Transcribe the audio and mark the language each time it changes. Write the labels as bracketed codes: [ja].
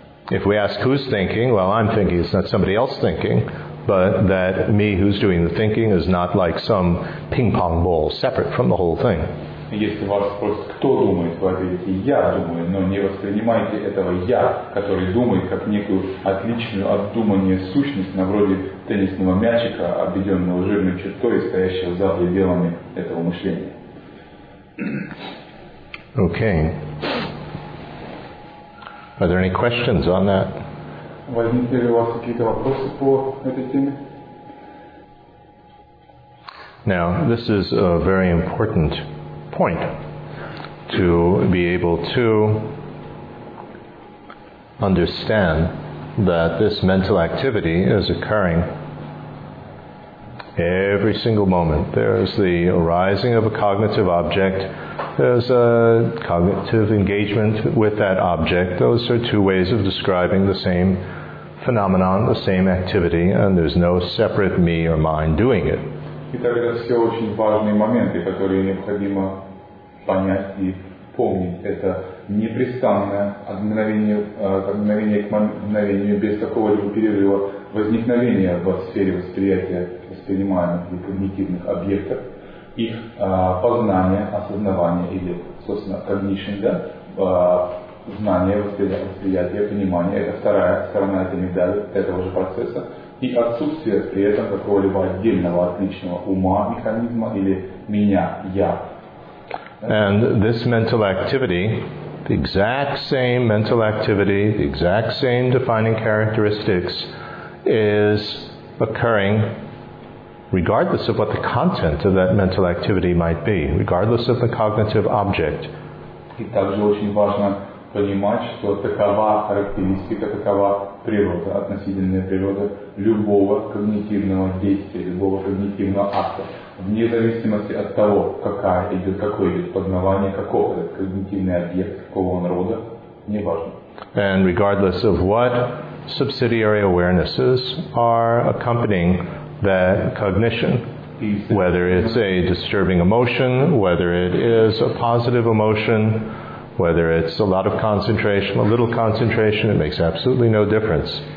[en] If we ask who's thinking, well, I'm thinking, it's not somebody else thinking, but that me who's doing the thinking is not like some ping-pong ball separate from the whole thing. [ru] Если вас спросят, кто думает, вы ответите, я думаю, но не воспринимайте этого я, который думает, как некую отличную от думания сущность, на вроде теннисного мячика, обведенного жирной чертой, стоящего за пределами этого мышления. [en] Okay. Are there any questions on that? [ru] Возникли ли у вас какие-то вопросы по этой теме? [en] Now, this is a very important point to be able to understand that this mental activity is occurring every single moment. There's the arising of a cognitive object, there's a cognitive engagement with that object. Those are two ways of describing the same phenomenon, the same activity, and there's no separate me or mind doing it. [ru] Итак, это все очень важные моменты, которые необходимо понять и помнить. Это непрестанное от мгновения к мгновению без какого-либо перерыва возникновение в сфере восприятия воспринимаемых и когнитивных объектов, их познание, осознавание или, собственно, cognition, да, знание, восприятие, понимание. Это вторая сторона этой медали, этого же процесса. И отсутствие при этом какого-либо отдельного отличного ума, механизма или меня, я. [en] And this mental activity, the exact same mental activity, the exact same defining characteristics, is occurring regardless of what the content of that mental activity might be, regardless of the cognitive object. [ru] И также очень важно понимать, что такова характеристика, такова природа, относительная природа любого когнитивного действия, любого когнитивного акта. Вне зависимости от того, какое идет познавание, каков этот когнитивный объект, какого он рода, не важно. [en] And regardless of what subsidiary awarenesses are accompanying that cognition, whether it's a disturbing emotion, whether it is a positive emotion, whether it's a lot of concentration, a little concentration, it makes absolutely no difference.